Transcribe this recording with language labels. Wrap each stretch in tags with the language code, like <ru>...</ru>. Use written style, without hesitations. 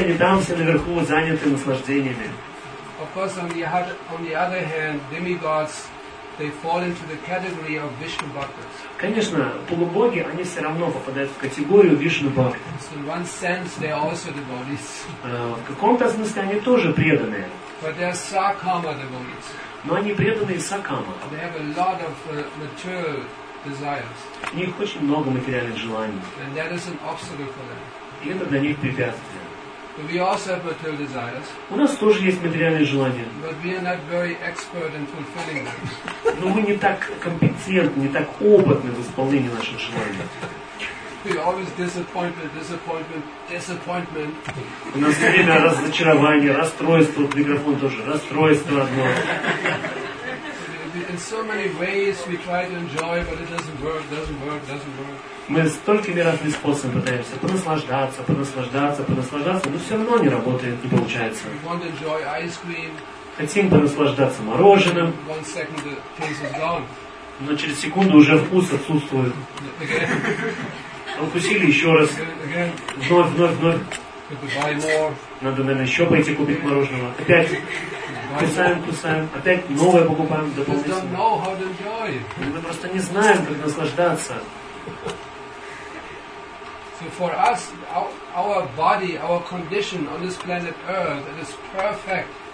<ru>они там все наверху заняты наслаждениями.</ru> <en>Of course, on the other hand, demigods, they fall into the category of Vishnu Bhaktas.</en> <ru>Конечно, полубоги, они все равно попадают в категорию Вишну Бхакты.</ru> <en>So in one sense, they are also devotees.</en> <ru>В каком-то смысле они тоже преданные.</ru> <en>But they are Sakama devotees.</en> <ru>Но они преданные Сакама.</ru> <en>They have a lot of material desires.</en> <ru>У них очень много материальных желаний.</ru> <en>And that is an obstacle for them.</en> <ru>И это для них препятствие.</ru> <en>But we also have material desires.</en> <ru>У нас тоже есть материальные желания.</ru> <en>But we are not very expert in fulfilling them.</en> <ru>Но мы не так компетентны, не так опытны в исполнении наших желаний.</ru> <en>We always disappointment.</en> <ru>У нас все время разочарование, расстройство. Микрофон тоже расстройство одно.</ru> <en>In so many ways we try to enjoy, but it doesn't work.</en> <ru>Мы столькими разными способами пытаемся понаслаждаться, но все равно не работает, не получается.</ru> <en>We want to enjoy ice cream.</en> <ru>Хотим понаслаждаться мороженым.</ru> <en>One second the taste is gone.</en> <ru>Но через секунду уже вкус отсутствует. Укусили еще раз. Вновь. Надо, наверное, еще пойти купить мороженого. Опять кусаем. Опять новое покупаем дополнительно. Мы просто не знаем, как наслаждаться.</ru> <en>So for us, our body, our condition on this planet Earth, it is perfect.</en>